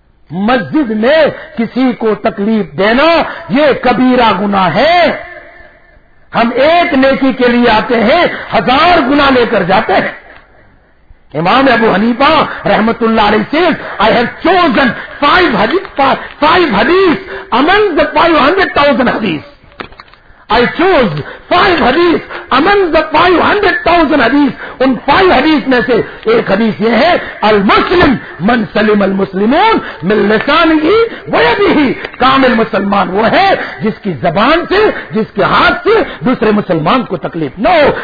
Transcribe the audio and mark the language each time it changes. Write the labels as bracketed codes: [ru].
[ur] مسجد میں کسی کو تکلیف دینا یہ کبیرہ گناہ ہے. ہم ایک نیکی کے لیے آتے ہیں ہزار گناہ لے کر جاتے ہیں. [en] امام ابو حنیفہ رحمت اللہ علیہ says I have chosen 5 hadith among the 500,000 hadith. I chose 5 hadith among the 500,000 hadith. [ur] In 5 hadith میں سے ایک حدیث یہ ہے [ar] المسلم من سلم المسلمون من لسانه ویدہ. [ur] کامل مسلمان وہ ہے جس کی زبان سے جس کے ہاتھ سے دوسرے مسلمان کو تکلیف نہ ہو.